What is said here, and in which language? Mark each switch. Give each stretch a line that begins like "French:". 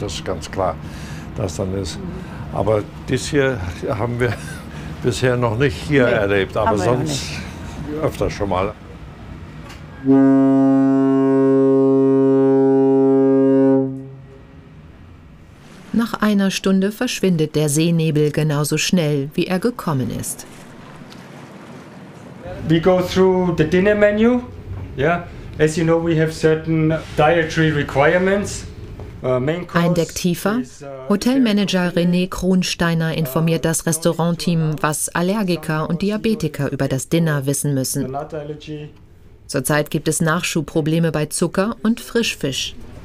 German: Das ist ganz klar, dass dann ist. Aber dies hier haben wir bisher noch nicht hier erlebt, aber sonst öfter schon mal. Nach einer Stunde verschwindet der Seenebel genauso schnell, wie er gekommen ist.
English: We go through the dinner menu. Yeah. As you know, we have certain dietary requirements.
German: Ein Deck tiefer. Hotelmanager René Kronsteiner informiert das Restaurantteam, was Allergiker und Diabetiker über das Dinner wissen müssen. Zurzeit gibt es Nachschubprobleme bei Zucker und Frischfisch.